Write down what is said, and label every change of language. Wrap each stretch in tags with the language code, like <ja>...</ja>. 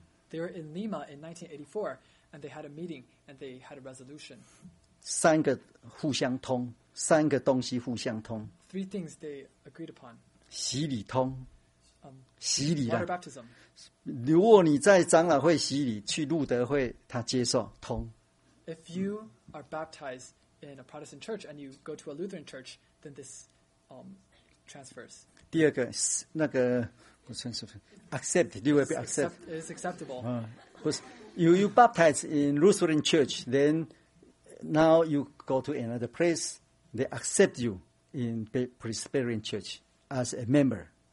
<en>they were in Lima in 1984, and they had a meeting, and they had a resolution.</en> <zh>三个互相通, 三个东西互相通,</zh> <en>three things they agreed upon.</en> <zh>洗礼通, 洗礼啦,</zh> <en>water baptism.</en> <zh>如果你在长老会洗礼, 去路德会, 他接受, 通。</zh> <en>If you are baptized in a Protestant church, and you go to a Lutheran church, then this transfers.</en> <zh>第二个, 那个,</zh> <en>accept, you will be accepted. It's acceptable. You baptize in Lutheran church, then now you go to another place, they accept you in Presbyterian church as a member.</en>